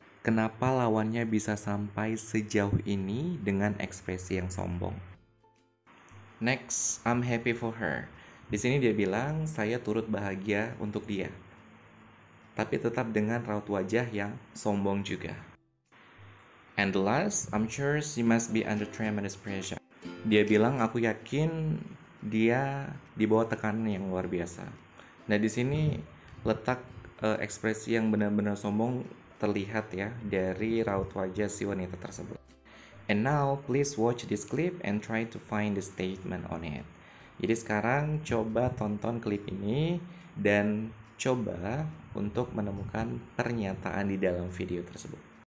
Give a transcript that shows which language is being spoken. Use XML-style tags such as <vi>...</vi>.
<id>Kenapa lawannya bisa sampai sejauh ini dengan ekspresi yang sombong?</id> <en>Next, I'm happy for her.</en> <id>Di sini dia bilang, saya turut bahagia untuk dia. Tapi tetap dengan raut wajah yang sombong juga.</id> <en>And last, I'm sure she must be under tremendous pressure.</en> <id>Dia bilang aku yakin dia di bawah tekanan yang luar biasa. Nah, di sini letak ekspresi yang benar-benar sombong terlihat ya dari raut wajah si wanita tersebut.</id> <en>And now, please watch this clip and try to find the statement on it.</en> <id>Jadi sekarang coba tonton klip ini dan coba untuk menemukan pernyataan di dalam video tersebut.</id>